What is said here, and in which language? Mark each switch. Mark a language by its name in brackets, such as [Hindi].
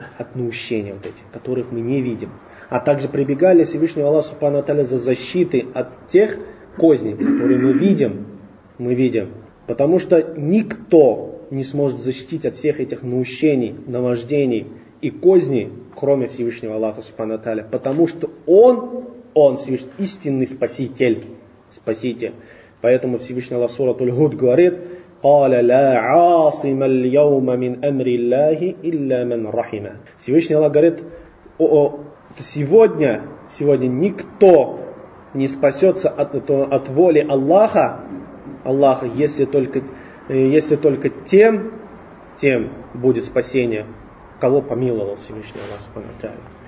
[Russian] От наущения вот этих, которых мы не видим. А также прибегали к Всевышнему Аллаху Субханаху ва Тааля за защитой от тех козней, которые мы видим. Потому что никто не сможет защитить от всех этих наущений, наваждений и козней, кроме Всевышнего Аллаха Субханаху ва Тааля. Потому что Он Всевышний, истинный Спаситель. Поэтому Всевышний Аллах Сурат Аль-Худ говорит: [Arabic] قَالَ لَا عَاصِمَ الْيَوْمَ مِنْ أَمْرِ اللَّهِ إِلَّا مَنْ رَحِمَ. [Russian] Всевышний Аллах говорит: сегодня никто не спасется от воли Аллаха, если только тем будет спасение, кого помиловал Всевышний Аллах Субхану Аталя.